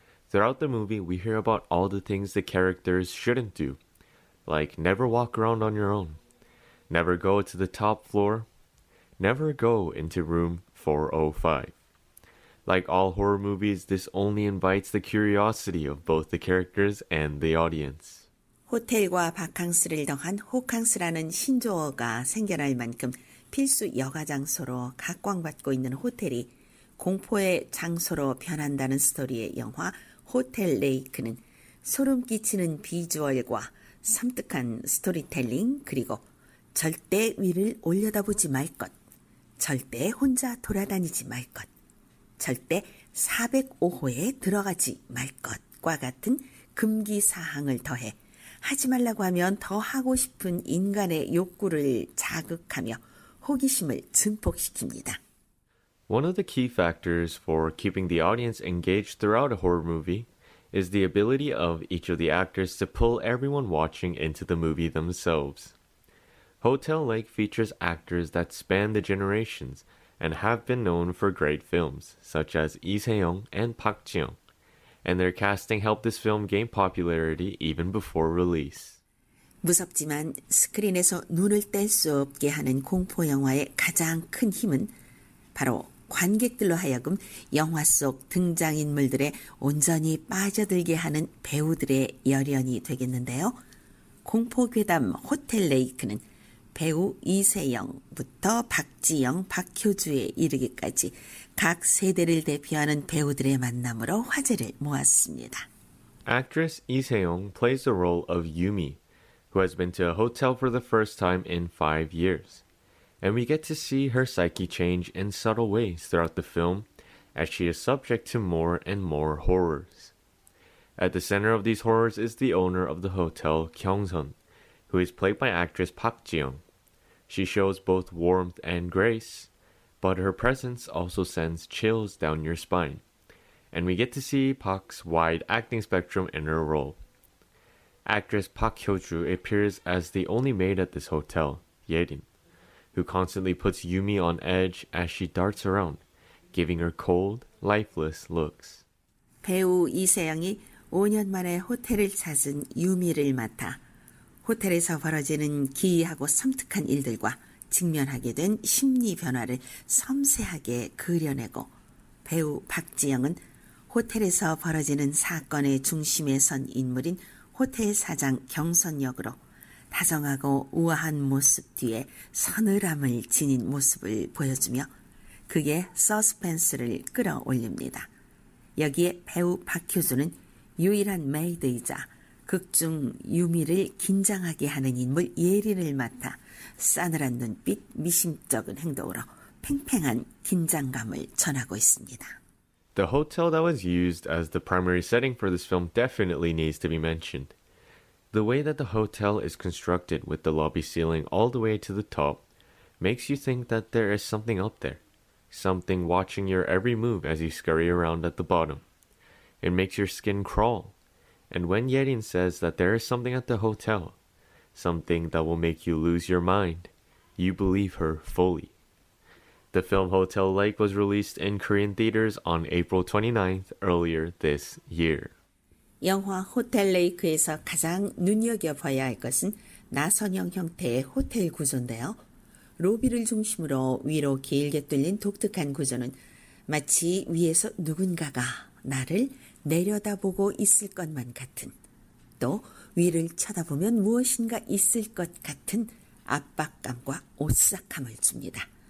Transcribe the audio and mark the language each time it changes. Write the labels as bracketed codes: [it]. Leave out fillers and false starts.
[en] Throughout the movie, we hear about all the things the characters shouldn't do, like never walk around on your own, never go to the top floor, never go into room 405. Like all horror movies, this only invites the curiosity of both the characters and the audience. [ko] 호텔과 바캉스를 더한 호캉스라는 신조어가 생겨날 만큼 필수 여가 장소로 각광받고 있는 호텔이 공포의 장소로 변한다는 스토리의 영화 호텔 레이크는 소름 끼치는 비주얼과 섬뜩한 스토리텔링 그리고 절대 위를 올려다보지 말 것, 절대 혼자 돌아다니지 말 것, 절대 405호에 들어가지 말 것과 같은 금기 사항을 더해 하지 말라고 하면 더 하고 싶은 인간의 욕구를 자극하며 호기심을 증폭시킵니다. [en] One of the key factors for keeping the audience engaged throughout a horror movie is the ability of each of the actors to pull everyone watching into the movie themselves. Hotel Lake features actors that span the generations and have been known for great films, such as Lee Se-young and Park Ji-young. And their casting helped this film gain popularity even before release. [ko] 무섭지만 스크린에서 눈을 뗄 수 없게 하는 공포 영화의 가장 큰 힘은 바로 관객들로 하여금 영화 속 등장인물들의 온전히 빠져들게 하는 배우들의 열연이 되겠는데요. 공포 괴담 호텔 레이크는 배우 이세영부터 박지영, 박효주에 이르기까지 각 세대를 대표하는 배우들의 만남으로 화제를 모았습니다. [en] Actress Lee Se-young plays the role of Yumi, who has been to a hotel for the first time in 5 years. And we get to see her psyche change in subtle ways throughout the film as she is subject to more and more horrors. At the center of these horrors is the owner of the hotel, Kyung-sun, who is played by actress Park Ji-young. She shows both warmth and grace, but her presence also sends chills down your spine. And we get to see Park's wide acting spectrum in her role. Actress Park Hyo-ju appears as the only maid at this hotel, Yerin, who constantly puts Yumi on edge as she darts around, giving her cold, lifeless looks. [ko] 배우 이세영이 5년 만에 호텔을 찾은 유미를 맡아 호텔에서 벌어지는 기이하고 섬뜩한 일들과 직면하게 된 심리 변화를 섬세하게 그려내고 배우 박지영은 호텔에서 벌어지는 사건의 중심에 선 인물인 호텔 사장 경선 역으로 다정하고 우아한 모습 뒤에 서늘함을 지닌 모습을 보여주며 그게 서스펜스를 끌어올립니다. 여기에 배우 박효준은 유일한 메이드이자 극중 유미를 긴장하게 하는 인물 예린을 맡아 싸늘한 눈빛, 미심쩍은 행동으로 팽팽한 긴장감을 전하고 있습니다. [en] The hotel that was used as the primary setting for this film definitely needs to be mentioned. The way that the hotel is constructed with the lobby ceiling all the way to the top makes you think that there is something up there, something watching your every move as you scurry around at the bottom. It makes your skin crawl. And when Yerin says that there is something at the hotel, something that will make you lose your mind, you believe her fully. The film Hotel Lake was released in Korean theaters on April 29th earlier this year. [ko] 영화 호텔 레이크에서 가장 눈여겨봐야 할 것은 나선형 형태의 호텔 구조인데요. 로비를 중심으로 위로 길게 뚫린 독특한 구조는 마치 위에서 누군가가 나를 내려다보고 있을 것만 같은, 또 위를 쳐다보면 무엇인가 있을 것 같은 압박감과 오싹함을 줍니다.